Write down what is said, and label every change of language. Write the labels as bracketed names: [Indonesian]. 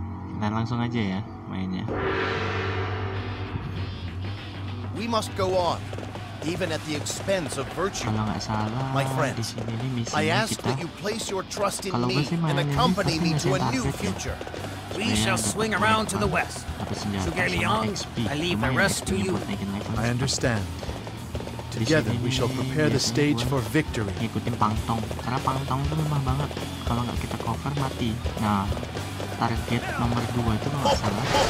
[Indonesian] Kita langsung aja ya mainnya. [English] We must go on, even at the expense of virtue. [Indonesian] Kalau nggak salah, [English] my friend, [Indonesian] di sini ini misinya kita. [English] You place your trust in me and accompany me to a new future. We shall swing around to the west. Sugeliang, I leave the rest to you. I understand. Together we shall prepare the stage for victory. [Indonesian] Ikutin pangtong, karena pangtong itu lemah banget. Kalau nggak kita cover mati. Nah, target nomor 2 itu nggak salah.